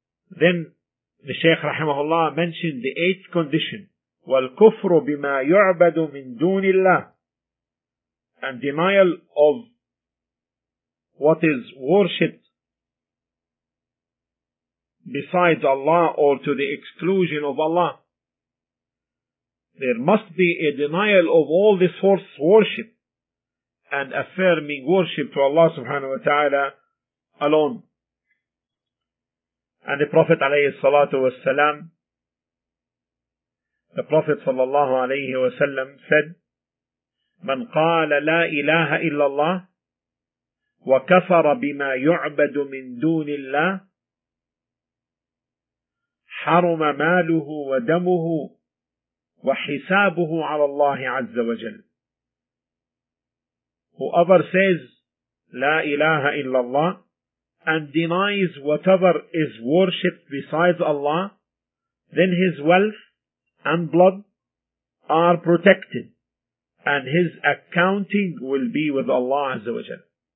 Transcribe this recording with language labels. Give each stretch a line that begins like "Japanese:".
English: Then the Shaykh rahimahullah mentioned the eighth condition,
Arabic: وَالْكُفْرُ بِمَا يُعْبَدُ مِن دُونِ اللَّهِ,
English: and denial of what is worshipped besides Allah or to the exclusion of Allah. There must be a denial of all this false worship and affirming worship to Allah subhanahu wa ta'ala alone. And the Prophet alayhi salatu wa salam, the Prophet sallallahu alayhi wa sallam said,
Arabic: من قال لا إله إلا الله وكفر بما يعبد من دون الله حرم ماله ودمه وحسابه على الله عز وجل.
English: Whoever says La ilaha illallah and denies whatever is worshipped besides Allah, then his wealth and blood are protected, and his accounting will be with Allah Azza wa Jalla.